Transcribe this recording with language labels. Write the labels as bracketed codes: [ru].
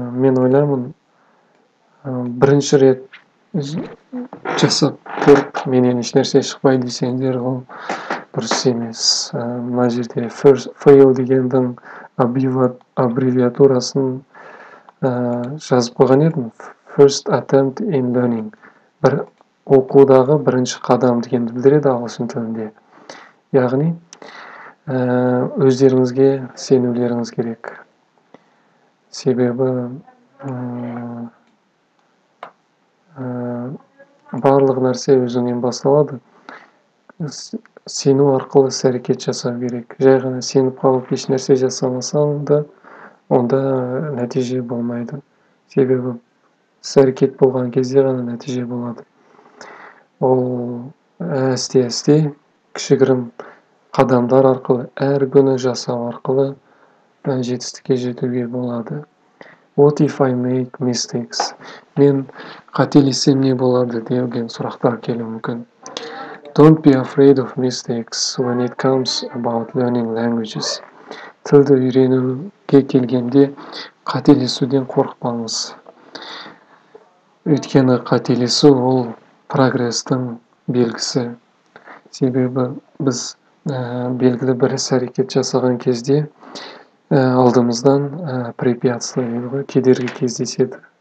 [kk] мен ойлаймын, бірінші рет жасап көріп, менен еш нәрсе шықпайды десеңдер, ол дұрыс емес. Мына жерде [en] first fail [kk] дегендің аббревиатурасын жазып қойған едім. [en] First attempt in learning. [kk] Бір оқудағы бірінші қадам дегенді білдіреді ағылшын тілінде. Яғни, өздеріңізге сенулеріңіз керек. Себебі, барлық нәрсе өзіңнен басталады. Сену арқылы әрекет жасау керек. Жай ғана сеніп қалып, еш нәрсе жасамасаң да, онда нәтиже болмайды. Себебі, әрекет болған кезде ғана нәтиже болады. Ол әсте-әсте кішігірім қадамдар арқылы, әр күні жасау арқылы жетістікке жетуге болады. [en] What if I make mistakes? [kk] Мен қателесем не болады деген сұрақтар келуі мүмкін. [en] Don't be afraid of mistakes when it comes about learning languages. [kk] Тілді үйренуге келгенде қателесуден қорықпаңыз. Өйткені қателесу ол прогрестің белгісі. Себебі біз белгілі бір әрекет жасаған кезде алдымыздан препятствия, кедергі кездеседі.